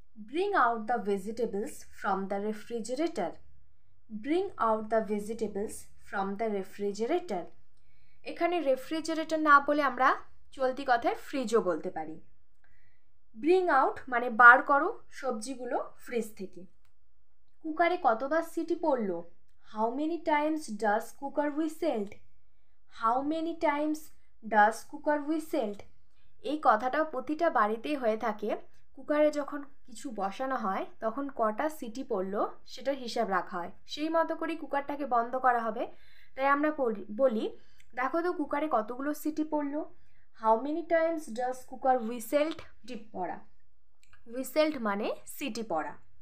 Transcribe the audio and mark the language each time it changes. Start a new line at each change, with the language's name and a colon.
English: Bring out the vegetables from the refrigerator. Bring out the vegetables from the refrigerator.
Bangla: এখানে refrigerator না বলে আমরা চলতি কথায় ফ্রিজও বলতে পারি।
English: Bring out
Bangla: মানে বার করো সবজিগুলো ফ্রিজ থেকে। কুকারে কতবার সিটি পড়লো?
English: How many times does cooker whistled? How many times does cooker whistled?
Bangla: এই কথাটা প্রতিটা বাড়িতেই হয়ে থাকে। কুকারে যখন কিছু বসানো হয় তখন কটা সিটি পড়লো সেটার হিসাব রাখা হয়। সেই মতো করেই কুকারটাকে বন্ধ করা হবে। তাই আমরা বলি, দেখো তো কুকারে কতগুলো সিটি পড়লো।
English: how many times does cooker whistled,
Bangla: deep পড়া। হুইসেলড মানে সিটি পড়া।